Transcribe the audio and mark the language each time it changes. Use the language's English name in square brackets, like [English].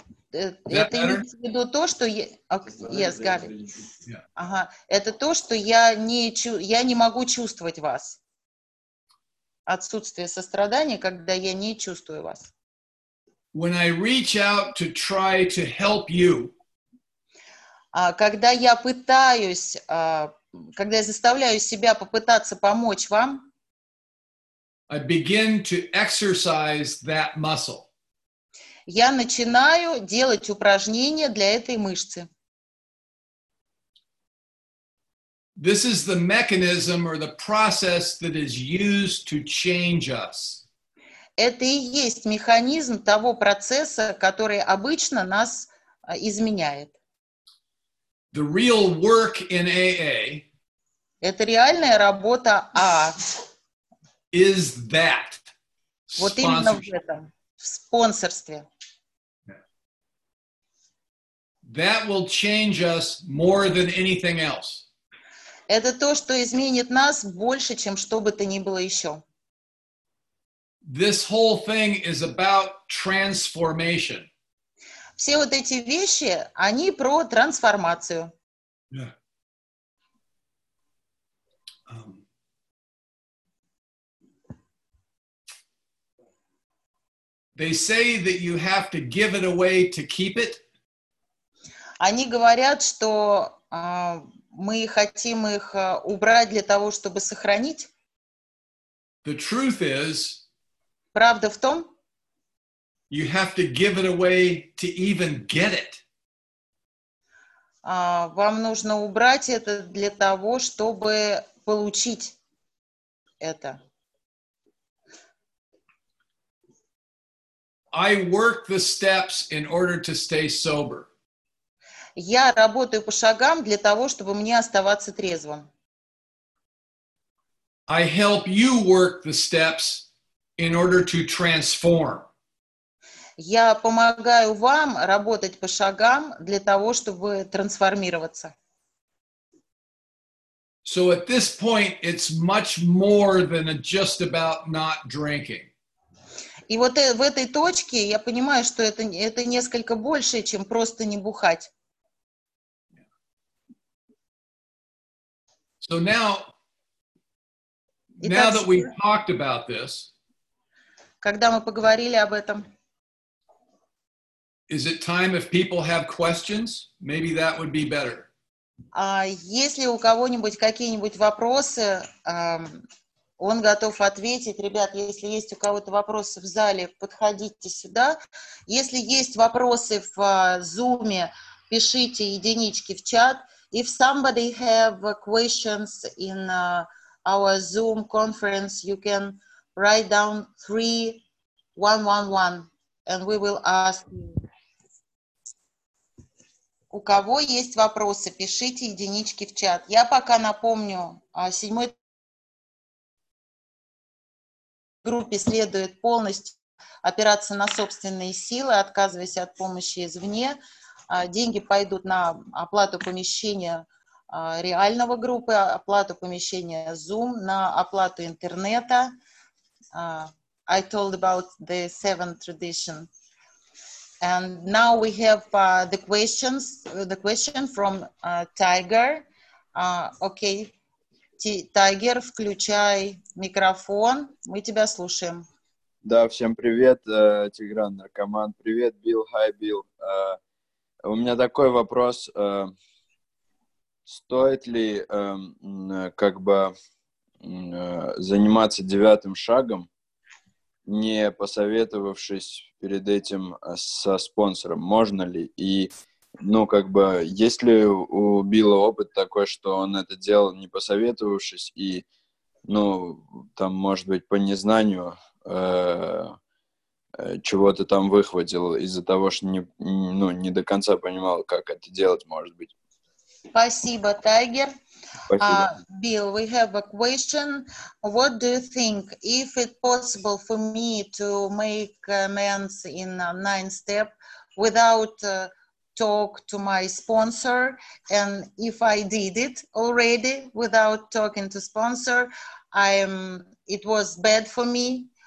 [Russian] Это имеется в виду то, что я... [English] Yes, got it. Yeah. [Russian] Это то, что я не могу чувствовать вас. Отсутствие сострадания, когда я не чувствую вас. [English] When I reach out to try to help you, [Russian] когда я пытаюсь когда я заставляю себя попытаться помочь вам, [English] I begin to exercise that muscle. [Russian] Я начинаю делать упражнения для этой мышцы. [English] This is the mechanism or the process that is used to change us. [Russian] Это и есть механизм того процесса, который обычно нас изменяет. [English] The real work in AA. [Russian] Это реальная работа А. [English] Is that? [Russian] Вот именно в этом, в спонсорстве. [English] That will change us more than anything else. [Russian] Это то, что изменит нас больше, чем что бы то ни было еще. [English] This whole thing is about transformation. [Russian] Все вот эти вещи, они про трансформацию. [English] Yeah. They say that you have to give it away to keep it. [Russian] Они говорят, что мы хотим их убрать для того, чтобы сохранить. [English] The truth is, [Russian] правда в том, [English] you have to give it away to even get it. [Russian] Вам нужно убрать это для того, чтобы получить это. [English] I work the steps in order to stay sober. [Russian] Я работаю по шагам для того, чтобы мне оставаться трезвым. [English] I help you work the steps in order to transform. [Russian] Я помогаю вам работать по шагам для того, чтобы трансформироваться. [English] So at this point, it's much more than just about not drinking. [Russian] И вот в этой точке я понимаю, что это несколько больше, чем просто не бухать. [English] So now, now that we've talked about this, [Russian] когда мы поговорили об этом, [English] is it time if people have questions? Maybe that would be better. [Russian] Если у кого-нибудь какие-нибудь вопросы, он готов ответить. Ребят, если есть у кого-то вопросы в зале, подходите сюда. Если есть вопросы в Zoom, пишите единички в чат. If somebody have questions in our Zoom conference, you can write down 3111 and we will ask you. У кого есть вопросы, пишите единички в чат. Я пока напомню, седьмой группе следует полностью опираться на собственные силы, отказываясь от помощи извне. Деньги пойдут на оплату помещения реального группы, оплату помещения Zoom, на оплату интернета. [English] I told about the seventh tradition. And now we have the question from Tiger. [Russian] Okay, Tiger, включай микрофон, мы тебя слушаем. Да, всем привет, Тигран, наркоман. Привет, Билл, [English] hi, [Russian] Билл. У меня такой вопрос, стоит ли заниматься девятым шагом, не посоветовавшись перед этим со спонсором, можно ли? И, есть ли у Билла опыт такой, что он это делал, не посоветовавшись, и, может быть, по незнанию чего-то там выхватил из-за того, что не до конца понимал, как это делать, может быть. Спасибо, Тайгер. Спасибо. [English] Билл, we have a question. What do you think, if it possible for me to make amends in a nine step without talk to my sponsor, and if I did it already without talking to sponsor, it was bad for me.